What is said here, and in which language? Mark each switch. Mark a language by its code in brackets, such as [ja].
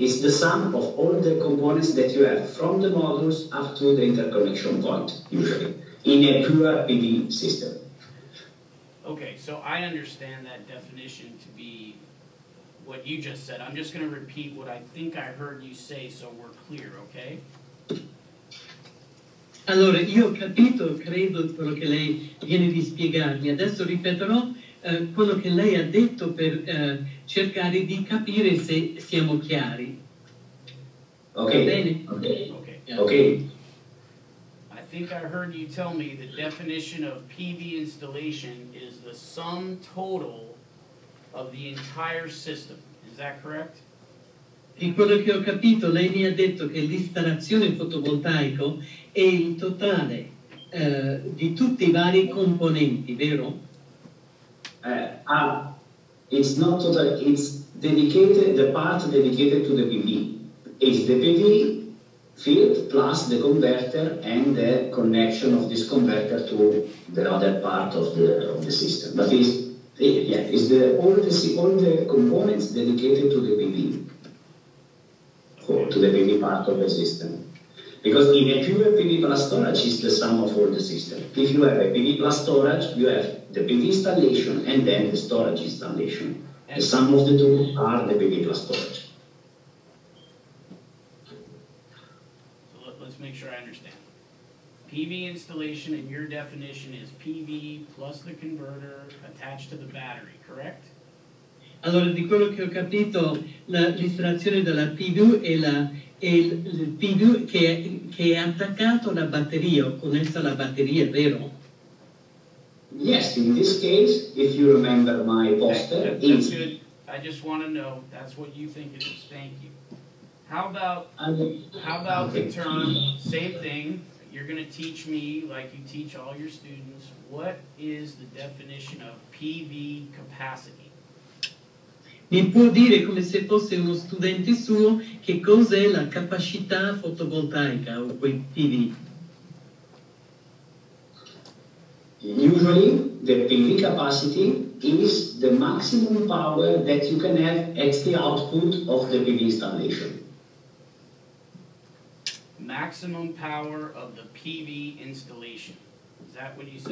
[en] It's the sum of all the components that you have from the modules up to the interconnection point, usually, in a pure PV system. Okay, so I understand that definition to be what you just said. I'm just going to repeat what I think I heard you say so we're clear, okay? [it] Allora, io ho capito, credo, quello che lei viene di spiegarmi. Adesso ripeterò quello che lei ha detto per cercare di capire se siamo chiari. Ok. Va bene? Okay. [en] I think I heard you tell me the definition of PV installation is the sum total of the entire system. Is that correct? [it] In quello che ho capito, lei mi ha detto che l'installazione fotovoltaico è il totale di tutti i vari componenti, vero? [en] It's not total, it's dedicated, the part dedicated to the PV. It's the PV field plus the converter and the connection of this converter to the other part of the system. But it's the all the components dedicated to the PV. Or to the PV part of the system. Because if you have PV plus storage, it's the sum of all the system. If you have a PV plus storage, you have the PV installation and then the storage installation. And the sum of the two are the PV plus storage. So let's make sure I understand. PV installation in your definition is PV plus the converter attached to the battery, correct? [it] Allora, di quello che ho capito, l'installazione della PV è il PV che è attaccato alla batteria, o connesso alla batteria, vero? [en] Yes, in this case, if you remember my poster, that's good. I just want to know, that's what you think it is. Thank you. How about the term, same thing, you're going to teach me, like you teach all your students, what is the definition of PV capacity? [it] Mi può dire, come se fosse uno studente suo, che cos'è la capacità fotovoltaica o quei PV? [en] Usually, the PV capacity is the maximum power that you can have at the output of the PV installation. Maximum power of the PV installation. Is that what you said?